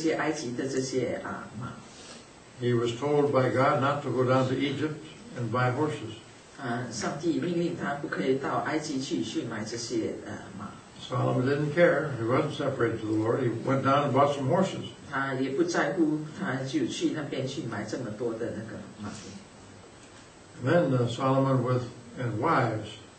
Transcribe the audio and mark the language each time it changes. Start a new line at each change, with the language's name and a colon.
Chinese: 第四就是那个所罗门跟这些埃及的这些马。
English: He was told by God not to go down to Egypt and buy horses.
Chinese: 上帝命令他不可以到埃及去买这些马。
English: Solomon didn't care. He wasn't separated to the Lord. He went down and bought some horses.
Chinese: 他也不在乎，他就去那边去买这么多的那个马。
English: Then Solomon with and wives.